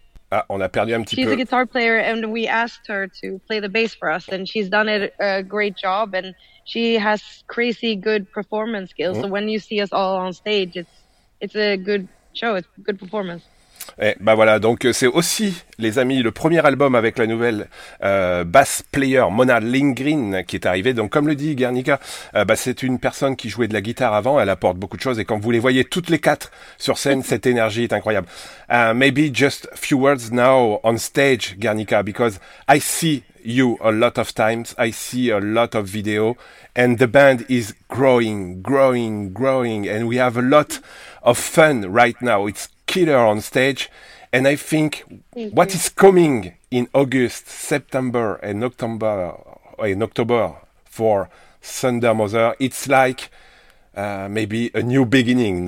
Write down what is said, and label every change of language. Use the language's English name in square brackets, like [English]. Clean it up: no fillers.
[French] Ah, on a perdu un petit peu. [English] She's a guitar player, and we asked her to play the bass for us, and she's done it a great job, and she has crazy good performance skills. Mm. So when you see us all on stage, it's a good show, it's good performance. [French] Et bah voilà, donc c'est aussi, les amis, le premier album avec la nouvelle bass player Mona Lindgren qui est arrivée. Donc comme le dit Guernica, c'est une personne qui jouait de la guitare avant, elle apporte beaucoup de choses, et quand vous les voyez toutes les quatre sur scène, cette énergie est incroyable. [English] Maybe just few words now on stage, Guernica, because I see you a lot of times, I see a lot of video, and the band is growing, and we have a lot of fun right now. It's killer on stage, and I think is coming in August, September, and October for Thunder Mother, it's like maybe a new beginning.